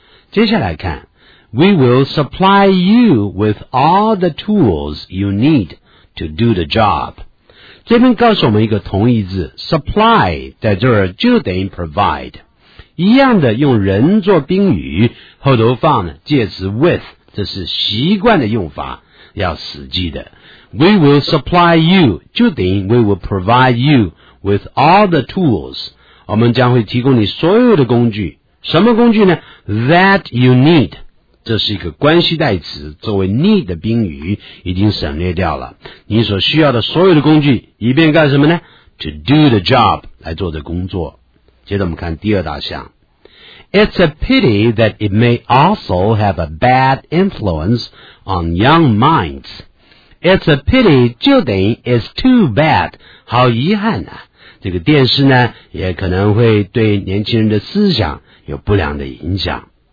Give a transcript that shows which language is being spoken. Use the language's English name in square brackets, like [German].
[Chinese] 接下来看 [English] We will supply you with all the tools you need to do the job， [Chinese] 这边告诉我们一个同义字， supply 在这儿就等于 provide， 一样的用人做宾语，后头放呢介词 with，这是习惯的用法，要死记的。 [English] We will supply you, [Chinese] 就等于 [English] we will provide you with all the tools. [Chinese] 我们将会提供你所有的工具。什么工具呢？ [English] That you need. [Chinese] 这是一个关系代词，作为 need 的宾语已经省略掉了。你所需要的所有的工具，以便干什么呢？ [English] To do the job, [Chinese] 来做的工作。接着我们看第二大项。 [English] It's a pity that it may also have a bad influence on young minds. It's a pity [Chinese] 就等于 [English] is too bad. [Chinese] 好遗憾啊，这个电视呢也可能会对年轻人的思想有不良的影响。